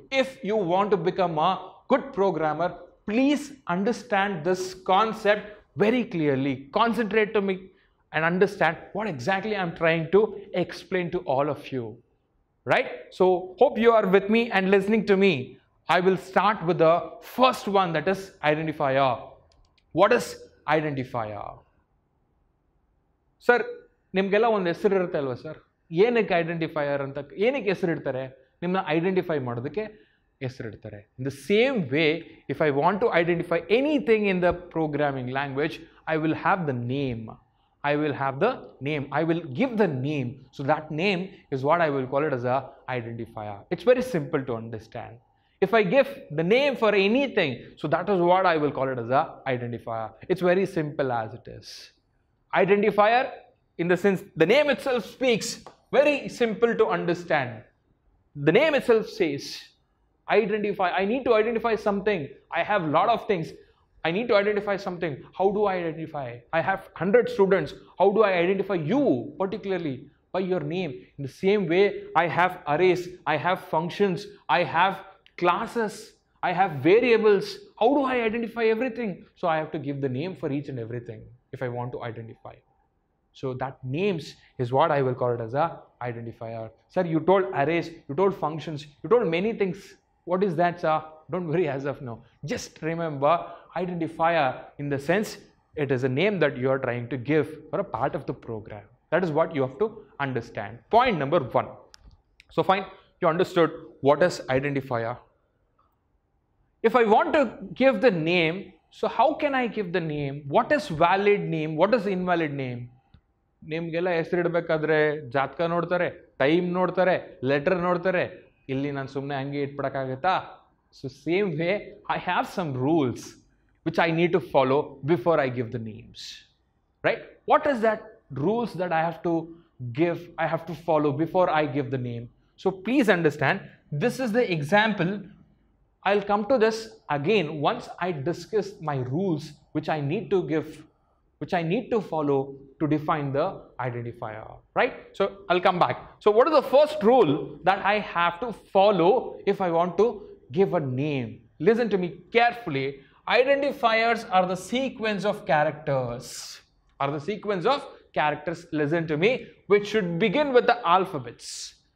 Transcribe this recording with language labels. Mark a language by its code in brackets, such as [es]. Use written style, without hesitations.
[en] If you want to become a good programmer, please understand this concept very clearly. Concentrate to me and understand what exactly I'm trying to explain to all of you. Right? So hope you are with me and listening to me. I will start with the first one, that is identifier. What is identifier? [kn] Sir, ನಿಮ್ಗೆಲ್ಲ ಒಂದು ಹೆಸರು ಇರುತ್ತೆ ಅಲ್ವಾ sir, ಏನಕ್ಕೆ identifier ಅಂತ ಏನಕ್ಕೆ ಹೆಸರು ಇಡ್ತಾರೆ? ನಿಮ್ಮನ್ನ ಐಡೆಂಟಿಫೈ ಮಾಡೋದಕ್ಕೆ ಹೆಸರು ಇಡ್ತಾರೆ. [en] In the same way, if I want to identify anything in the programming language, I will have the name. I will have the name. I will give the name. So that name is what I will call it as a identifier. It's very simple to understand. If I give the name for anything, so that is what I will call it as a identifier. It's very simple as it is. Identifier in the sense the name itself speaks, very simple to understand. The name itself says, identify, I need to identify something. I have a lot of things. I need to identify something. How do I identify? I have 100 students. How do I identify you particularly by your name? In the same way, I have arrays, I have functions, I have classes, I have variables. How do I identify everything? So I have to give the name for each and everything if I want to identify. So that names is what I will call it as a identifier. Sir, you told arrays, you told functions, you told many things. What is that, sir? Don't worry as of now. Just remember, identifier in the sense it is a name that you are trying to give for a part of the program. That is what you have to understand. Point number one. So fine, you understood what is identifier. If I want to give the name, so how can I give the name? What is valid name? What is invalid name? [kn] ನಿಮ್ಗೆಲ್ಲ ಹೆಸರಿಡ್ಬೇಕಾದ್ರೆ ಜಾತಕ ನೋಡ್ತಾರೆ, time ನೋಡ್ತಾರೆ, letter ನೋಡ್ತಾರೆ. ಇಲ್ಲಿ ನಾನು ಸುಮ್ಮನೆ ಹಂಗೆ ಇಟ್ಬಿಡಕ್ಕಾಗತ್ತಾ? [en] So same way I have some rules which I need to follow before I give the names, right? What is that rules that I have to give, I have to follow before I give the name? So please understand, this is the example. I will come to this again once I discuss my rules which I need to give, which I need to follow to define the identifier, right? So I'll come back. So what is the first rule that I have to follow if I want to give a name? Listen to me carefully. Identifiers are the sequence of characters. Are the sequence of characters, listen to me, which should begin with the alphabets.